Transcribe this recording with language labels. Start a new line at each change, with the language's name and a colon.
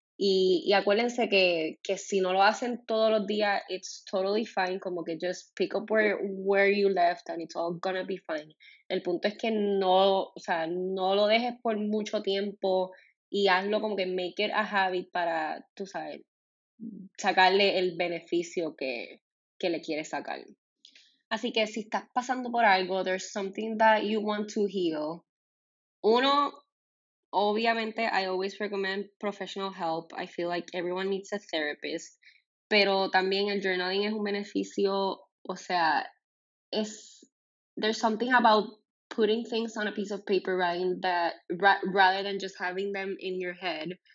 Spanish: Y acuérdense que si no lo hacen todos los días,
English: it's totally fine,
Spanish: como que
English: just pick up where you left and it's all gonna be fine.
Spanish: El punto es que no, o sea, no lo dejes por mucho tiempo y hazlo como que
English: make it a habit
Spanish: para, tú sabes, sacarle el beneficio que le quieres sacar. Así que si estás pasando por algo,
English: there's something that you want to heal.
Spanish: Uno, obviamente,
English: I always recommend professional help. I feel like everyone needs a therapist.
Spanish: Pero también el journaling es un beneficio. O sea,
English: there's something about putting things on a piece of paper rather than just having them in your head.